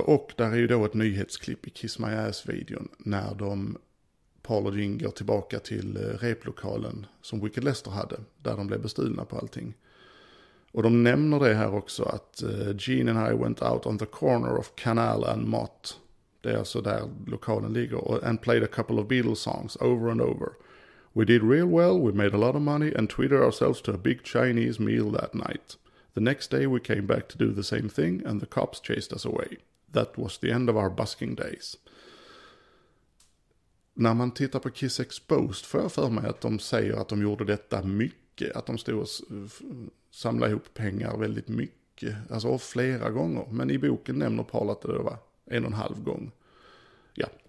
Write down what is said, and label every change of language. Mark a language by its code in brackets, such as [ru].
[sv] Och där är ju då ett nyhetsklipp i Kiss My Ass-videon. När de, Paul och Jean, går tillbaka till replokalen som Wicked Lester hade. Där de blev bestulna på allting. Och de nämner det här också, att [en] Jean and I went out on the corner of Canal and Mott. [sv] Det är alltså där lokalen ligger. [en] And played a couple of Beatles songs over and over. We did real well, we made a lot of money and treated ourselves to a big Chinese meal that night. The next day we came back to do the same thing and the cops chased us away. That was the end of our busking days. [sv] När man tittar på Kiss Exposed får jag för mig att de säger att de gjorde detta mycket. Att de stod och samlade ihop pengar väldigt mycket. Alltså flera gånger. Men i boken nämner Paul att det var en och en halv gång. Ja.